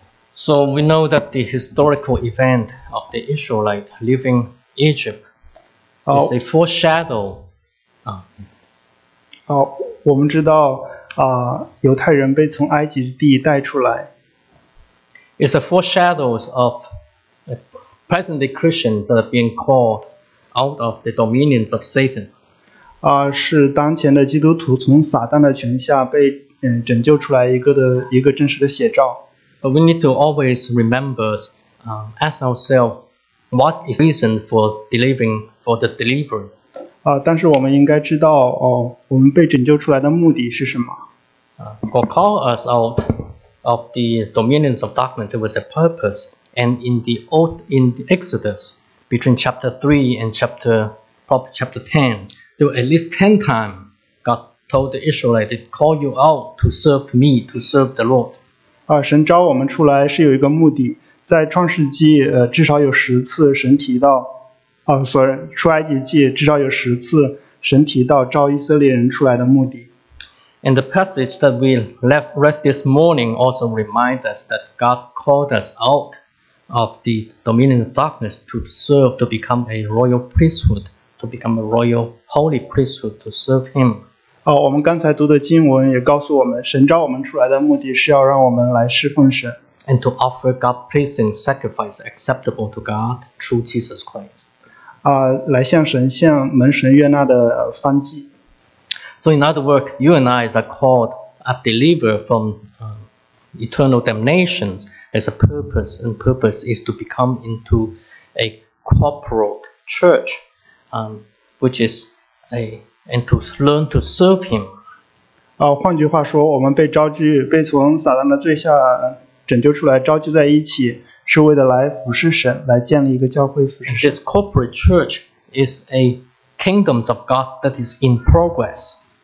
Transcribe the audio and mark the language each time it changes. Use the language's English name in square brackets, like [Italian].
[English] So we know that the historical event of the Israelite leaving Egypt is a foreshadow. [Chinese] 我们知道犹太人被从埃及地带出来。 [English] It's a foreshadow of present day Christians that are being called out of the dominions of Satan. [Chinese] 是当前的基督徒从撒旦的权下被拯救出来一个真实的写照。 [English] But we need to always remember, ask ourselves, what is the reason for delivering, for the delivery? [Chinese] 但是我们应该知道我们被拯救出来的目的是什么。 [English] God called us out of the dominions of darkness with a purpose, and in the Exodus, between chapter 3 and chapter 10, there were at least 10 times God told the Israelites, call you out to serve me, to serve the Lord. [Chinese] 神召我们出来是有一个目的，在创世纪至少有十次神提到，出埃及记至少有十次神提到召以色列人出来的目的。 [English] And the passage that we read this morning also reminds us that God called us out of the dominion of darkness to serve, to become a royal priesthood, to become a royal holy priesthood, to serve Him. [Chinese] 我们刚才读的经文也告诉我们，神召我们出来的目的是要让我们来侍奉神。 [English] And to offer God pleasing sacrifice acceptable to God through Jesus Christ. [Chinese] 来向神献蒙神悦纳的燔祭。 [English] So in other words, you and I are called a deliverer from eternal damnations as a purpose, and purpose is to become into a corporate church, which is and to learn to serve him. [Chinese] 换句话说，我们被召聚，被从撒旦的罪下拯救出来，召聚在一起，是为了来服侍神，来建立一个教会服侍神。 [English] This corporate church is a kingdom of God that is in progress.